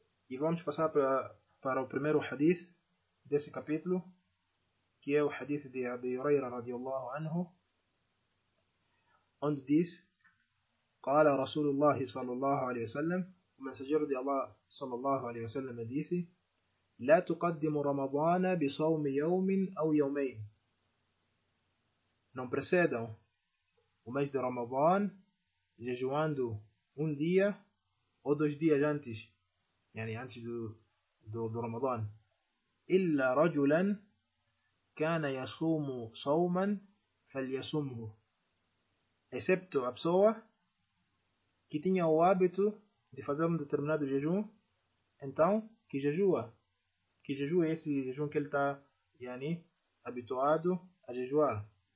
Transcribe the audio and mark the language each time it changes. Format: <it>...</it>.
<pt>E vamos passar para o primeiro hadith desse capítulo, que é o hadith de Abi Huraira radiallahu anhu, onde diz:</pt> <ar>قال رسول الله صلى الله عليه وسلم,</ar> <pt>o mensageiro de Allah صلى الله عليه وسلم disse:</pt> <ar>لا تقدم رمضان بصوم يوم أو يومين.</ar> <pt>Não precedam o mês de Ramadan jejuando um dia ou 2 dias antes, antes do Ramadan.</pt> <ar>إلا رجلا كان يصوم صوما فليصومه.</ar> <pt>Excepto a pessoa que tinha o hábito de fazer um determinado jejum, então que jejua. Que jejum é esse jejum que ele está habituado a jejuar?</pt>